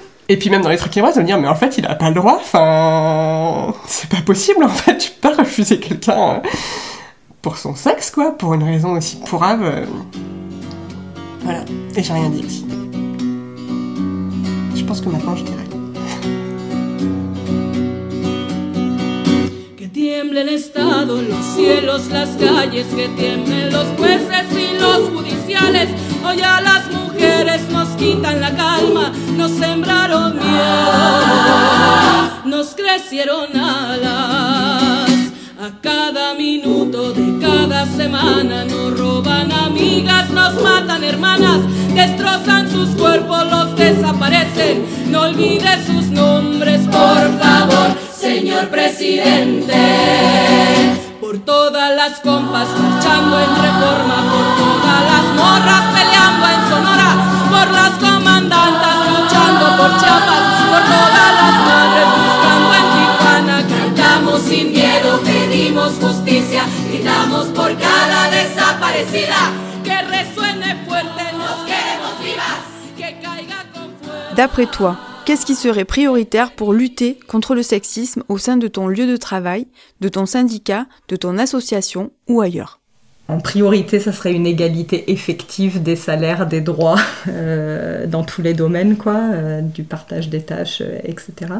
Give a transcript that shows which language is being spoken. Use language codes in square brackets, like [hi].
[fr] Et puis même dans les trucs qui me dire, mais en fait, il a pas le droit. Enfin, c'est pas possible, en fait. Tu peux pas refuser quelqu'un pour son sexe, quoi. Pour une raison aussi pourrave. Voilà. Et j'ai rien dit aussi. Je pense que maintenant, je dirais. [en] Thank you. [es] tiemble el Estado, los cielos, las calles, que tiemblen los jueces y los judiciales. Hoy a las mujeres nos quitan la calma, nos sembraron miedo, nos crecieron alas. A cada minuto de cada semana nos roban amigas, nos matan hermanas, destrozan sus cuerpos, los desaparecen. No olvides sus nombres, por favor, señor presidente. Por todas las compas luchando en Reforma, por todas las morras peleando en Sonora, por las comandantas luchando por Chiapas, por todas las madres buscando en Tijuana. Cantamos sin miedo, pedimos justicia, gritamos por cada desaparecida. Que resuene fuerte, nos queremos vivas, que caiga con fuerza. [fr] D'après toi, qu'est-ce qui serait prioritaire pour lutter contre le sexisme au sein de ton lieu de travail, de ton syndicat, de ton association ou ailleurs ? En priorité, ça serait une égalité effective des salaires, des droits dans tous les domaines, quoi, du partage des tâches, etc.